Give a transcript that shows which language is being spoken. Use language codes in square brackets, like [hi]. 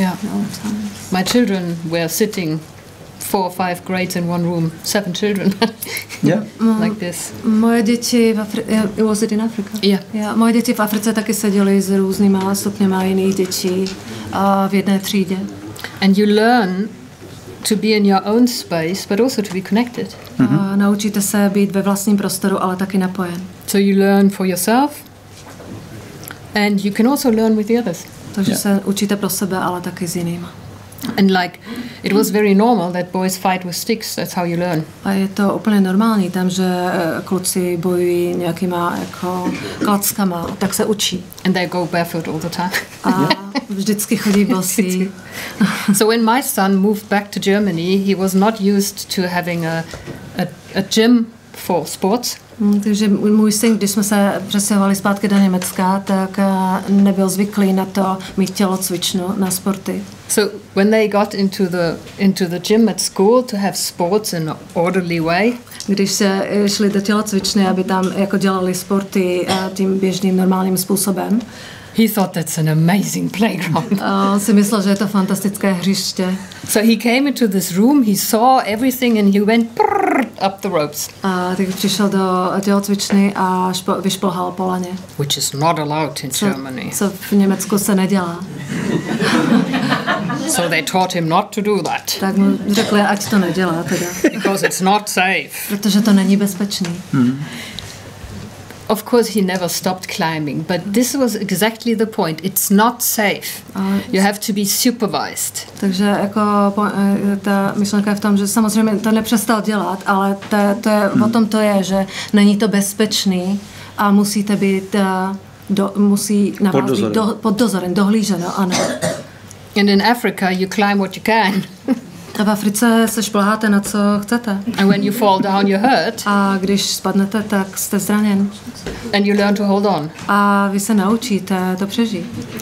[en] Yeah. My children were sitting 4 or 5 grades in one room, 7 children. Yeah. Like this. [cs] Moje děti v Africe, [en] was it in Africa? Yeah. Yeah. [cs] Moje děti v Africe taky seděly s různýma stupněma jiných dětí v jedné třídě. [en] And you learn to be in your own space, but also to be connected. Mm-hmm. [cs] Naučíte se být ve vlastním prostoru, ale taky napojen. [en] So you learn for yourself, and you can also learn with the others. [cs] Takže se učíte pro sebe, ale taky s jinýma. [en] And like, it was very normal that boys fight with sticks. That's how you learn. [cs] A je to úplně normální, tam, že kluci bojují nějakýma jako klackama, tak se učí. [en] And they go barefoot all the time. [cs] A vždycky chodí bosí. [en] So when my son moved back to Germany, he was not used to having a gym for sports. [cs] Takže můj syn, když jsme se přestěhovali zpátky do Německa, tak nebyl zvyklý na to mít tělocvičnu na sporty. [en] So when they got into the gym at school to have sports in an orderly way, [cs] když se šli do tělocvičny, aby tam jako dělali sporty tím běžným normálním způsobem. [en] He thought that's an amazing playground. [cs] On si myslel, že je to fantastické hřiště. [en] So he came into this room, he saw everything and he went up the ropes. [cs] A tak přišel do tělocvičny a vyšplhal po laně. [en] Which is not allowed in Germany. [cs] Co v Německu se nedělá. [en] So they taught him not to do that. [cs] Tak mu řekli, ať to nedělá teda. [en] Because it's not safe. [cs] Protože to není bezpečný. [en] Of course he never stopped climbing, but this was exactly the point. It's not safe. You have to be supervised. [cs] Takže jako ta myšlenka je v tom, že samozřejmě to nepřestal dělat, ale to je o tom to je, že není to bezpečný a musíte být musí na vás být pod dozorem, dohlíženo, ano. [en] And in Africa you climb what you can. [cs] A v Africe se šplháte na co chcete. [en] And when you fall down, you hurt. [cs] A když spadnete, tak jste zraněn. [en] And you learn to hold on. [cs] A vy se naučíte to přežít.